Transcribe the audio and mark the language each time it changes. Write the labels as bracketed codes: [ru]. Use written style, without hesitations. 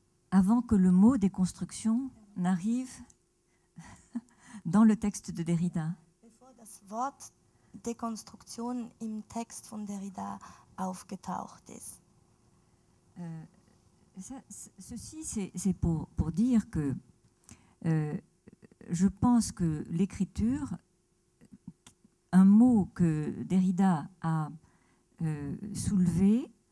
[fr] Avant que le mot déconstruction n'arrive dans le texte de Derrida. [de] Bevor das Wort Dekonstruktion im Text von Derrida aufgetaucht ist. [fr] Ceci, c'est pour dire que je pense que l'écriture, un mot que Derrida a soulevé